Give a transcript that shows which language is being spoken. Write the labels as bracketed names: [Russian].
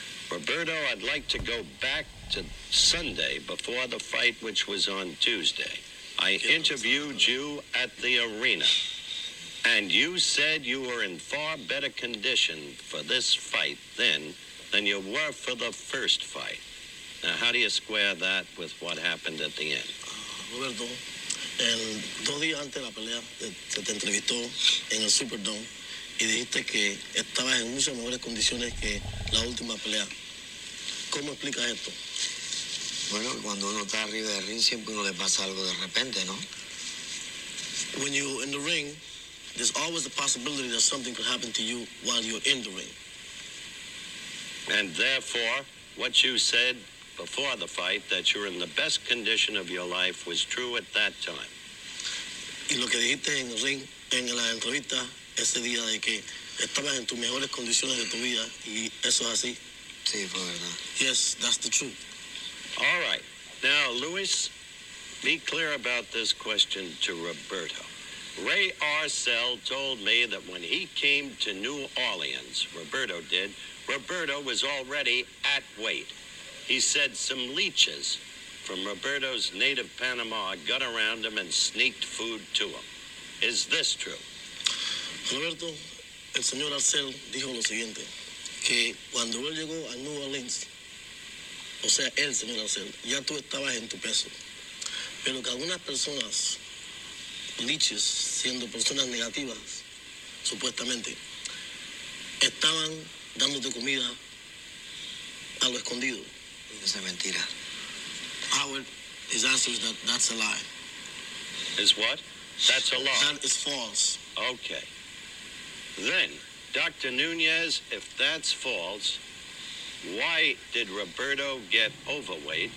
[English] Roberto, I'd like to go back to Sunday before the fight, which was on Tuesday. I interviewed you at the arena, and you said you were in far better condition for this fight then than you were for the first fight. Now, how do you square that with what happened at the end? [Spanish] Roberto, el 2 días antes de la pelea, se te entrevistó en el Superdome y dijiste que estabas en muchas mejores condiciones que la última pelea. ¿Cómo explicas esto? Bueno, cuando uno está arriba del ring, siempre uno le pasa algo de repente, ¿no? [English] When you in the ring, there's always the possibility that something could happen to you while you're in the ring. And therefore, what you said before the fight, that you're in the best condition of your life, was true at that time. [Spanish] Y lo que dijiste en el ring, en la entrevista, ese día de que estabas en tus mejores condiciones de tu vida, y eso es así. Sí, fue verdad. [English] Yes, that's the truth. All right. Now, Luis, be clear about this question to Roberto. Ray Arcel told me that when he came to New Orleans, Roberto did, Roberto was already at weight. He said some leeches from Roberto's native Panama got around him and sneaked food to him. Is this true? [Spanish] Roberto, el señor Arcel dijo lo siguiente, que cuando él llegó a New Orleans, o sea, él, señor Arcel, ya tú estabas en tu peso. Pero que algunas personas, leeches, siendo personas negativas, supuestamente, estaban dándote comida a lo escondido. Esa es mentira. [English] Howard, his answer is that that's a lie. Is what? That's a lie. That is false. Okay. Then, Dr. Nunez, if that's false, why did Roberto get overweight?